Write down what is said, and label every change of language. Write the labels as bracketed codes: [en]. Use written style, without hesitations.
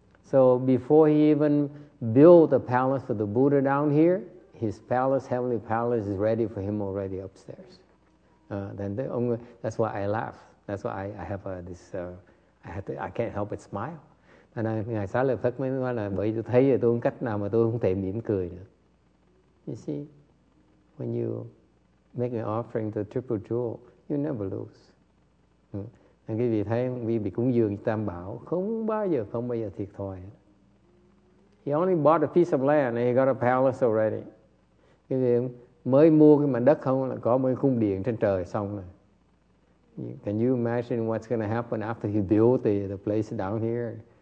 [en] So before he even built the palace for the Buddha down here, his palace, heavenly palace, is ready for him already upstairs. That's why I laugh. That's why I can't help but smile. [vi] Và ngài Xá Lợi Phất mới nói là bởi tôi thấy tôi không cách nào mà tôi không thể mỉm cười được. [en] You see, when you make an offering to the triple jewel, you never lose. [vi] Nên quý vị thấy quý vị cúng dường Tam Bảo không bao giờ thiệt thòi. [en] He only bought a piece of land and he got a palace already. [vi] Quý vị mới mua cái mảnh đất không là có một cung điện trên trời xong rồi. [en] Can you imagine what's going to happen after he built the place down here?